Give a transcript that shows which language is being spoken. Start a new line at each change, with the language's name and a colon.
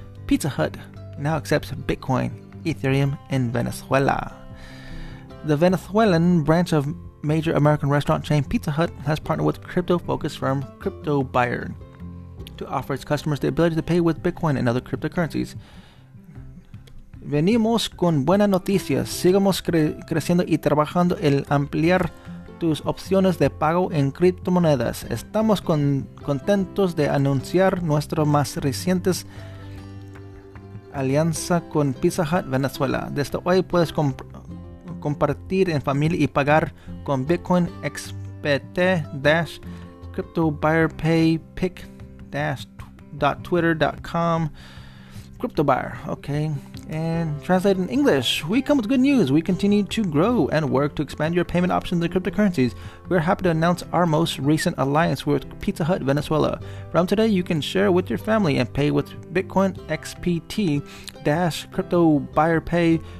English: Pizza Hut now accepts Bitcoin, Ethereum, and Venezuela. The Venezuelan branch of major American restaurant chain Pizza Hut has partnered with crypto-focused firm CryptoBuyer to offer its customers the ability to pay with Bitcoin and other cryptocurrencies.
Spanish: Venimos con buenas noticias. Sigamos creciendo y trabajando en ampliar tus opciones de pago en criptomonedas. Estamos contentos de anunciar nuestra más reciente alianza con Pizza Hut Venezuela. Desde hoy puedes compartir en familia y pagar con Bitcoin, XPT, Dash, Crypto Buyer Pay, Pick, Dash, Twitter.com, Crypto Buyer.
English: Okay. And translate in English, we come with good news. We continue to grow and work to expand your payment options in cryptocurrencies. We are happy to announce our most recent alliance with Pizza Hut Venezuela. From today, you can share with your family and pay with Bitcoin, XPT, Dash, Crypto Buyer Pay,